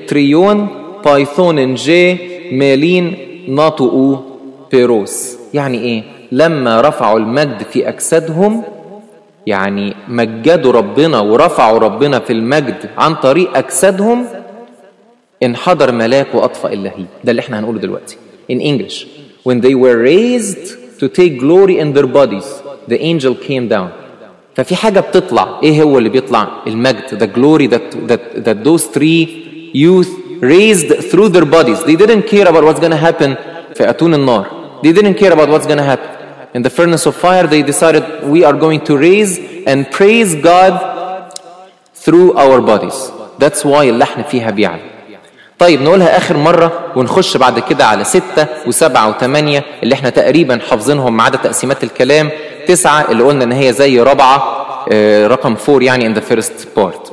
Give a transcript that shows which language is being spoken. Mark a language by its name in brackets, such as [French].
[Coptic] اتريون بايثون جي ميلين ناطقو فيروس. [Arabic] يعني ايه؟ لما رفعوا المجد في اجسادهم، يعني مجدوا ربنا ورفعوا ربنا في المجد عن طريق اجسادهم، انحدر ملاك واطفا اللهيب. ده اللي احنا هنقوله دلوقتي. [English] In English. When they were raised to take glory in their bodies, the angel came down. [Arabic] ففي حاجة بتطلع، إيه هو اللي بيطلع؟ المجد، [English] the glory that those three youth raised through their bodies. They didn't care about what's gonna happen [Arabic] في أتون النار. [English] They didn't care about what's gonna happen in the furnace of fire. They decided we are going to raise and praise God through our bodies. That's why [Arabic] اللحن فيها بيعلى. طيب نقولها آخر مرة ونخش بعد كده على 6 و7 و8 اللي احنا تقريبا حافظينهم عدد تقسيمات الكلام. 9 اللي قلنا ان هي زي رابعة، رقم 4 يعني [English] in the first part.